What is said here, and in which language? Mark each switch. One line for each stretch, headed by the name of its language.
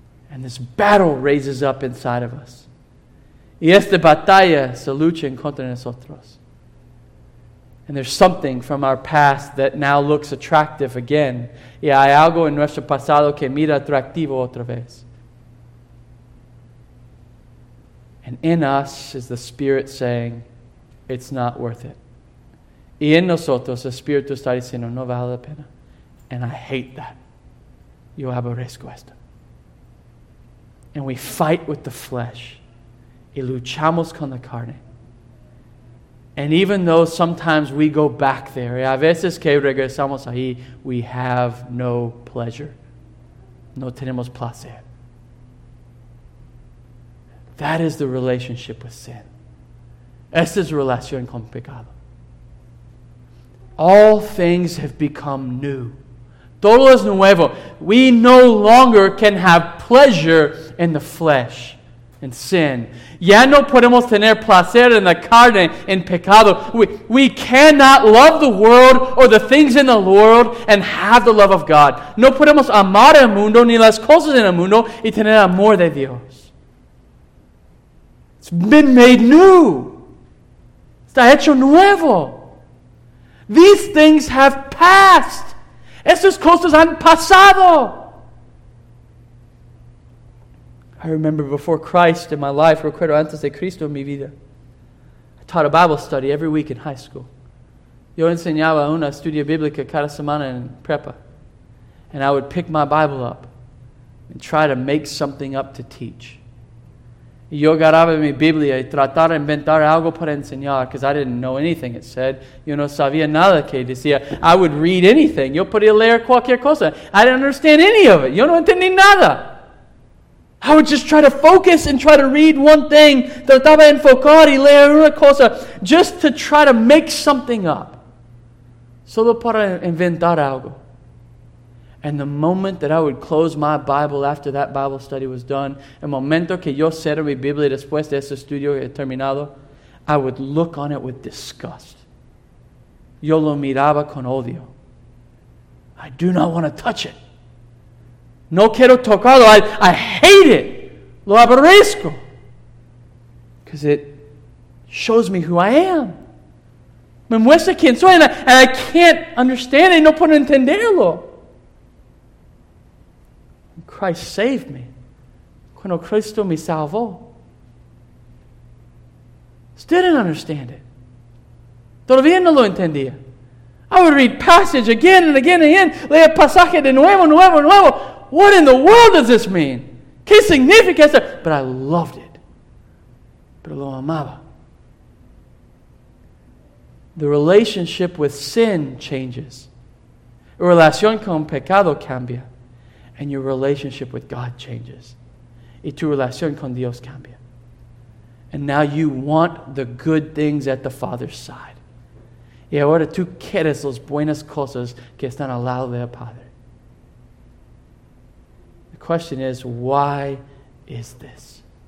English: And this battle raises up inside of us.
Spanish: Y esta batalla se lucha en contra nosotros.
English: And there's something from our past that now looks attractive again.
Spanish: Y hay algo en nuestro pasado que mira atractivo otra vez.
English: And in us is the Spirit saying, it's not worth it.
Spanish: Y en nosotros, el Espíritu está diciendo, no vale la pena.
English: And I hate that.
Spanish: Yo aborrezco esto.
English: And we fight with the flesh.
Spanish: Y luchamos con la carne.
English: And even though sometimes we go back there,
Spanish: y a veces que regresamos ahí,
English: we have no pleasure.
Spanish: No tenemos placer.
English: That is the relationship with sin.
Spanish: Esta es relación con pecado.
English: All things have become new.
Spanish: Todo es nuevo.
English: We no longer can have pleasure in the flesh. In sin.
Spanish: Ya no podemos tener placer en la carne, en pecado.
English: We cannot love the world or the things in the world and have the love of God.
Spanish: No podemos amar el mundo ni las cosas en el mundo y tener amor de Dios.
English: It's been made new.
Spanish: Está hecho nuevo.
English: These things have passed.
Spanish: Esas cosas han pasado.
English: I remember before Christ in my life,
Spanish: recuerdo antes de Cristo en mi vida,
English: I taught a Bible study every week in high school.
Spanish: Yo enseñaba una estudia bíblica cada semana en prepa.
English: And I would pick my Bible up and try to make something up to teach.
Spanish: Yo agarraba mi Biblia y trataba de inventar algo para enseñar
English: because I didn't know anything it said.
Spanish: Yo no sabía nada que decía.
English: I would read anything.
Spanish: Yo podía leer cualquier cosa.
English: I didn't understand any of it.
Spanish: Yo no entendí nada.
English: I would just try to focus and try to read one thing.
Spanish: Trataba de enfocar y leer una cosa
English: just to try to make something up.
Spanish: Solo para inventar algo.
English: And the moment that I would close my Bible after that Bible study was done,
Spanish: el momento que yo cerré mi Biblia después de ese estudio terminado,
English: I would look on it with disgust.
Spanish: Yo lo miraba con odio.
English: I do not want to touch it.
Spanish: No quiero tocarlo.
English: I hate it.
Spanish: Lo aborrezco.
English: Because it shows me who I am.
Spanish: Me muestra quién soy.
English: And I can't understand it.
Spanish: No puedo entenderlo.
English: Christ saved me.
Spanish: Cuando Cristo me salvó.
English: Still didn't understand it.
Spanish: Todavía no lo entendía.
English: I would read passage again and again and again.
Spanish: Leía pasaje de nuevo, nuevo, nuevo.
English: What in the world does this mean?
Spanish: ¿Qué significa esto?
English: But I loved it.
Spanish: Pero lo amaba.
English: The relationship with sin changes.
Spanish: La relación con pecado cambia.
English: And your relationship with God changes.
Spanish: Y tu relación con Dios cambia.
English: And now you want the good things at the Father's side.
Spanish: Y ahora tú quieres las buenas cosas que están al lado del Padre.
English: The question is, why is this?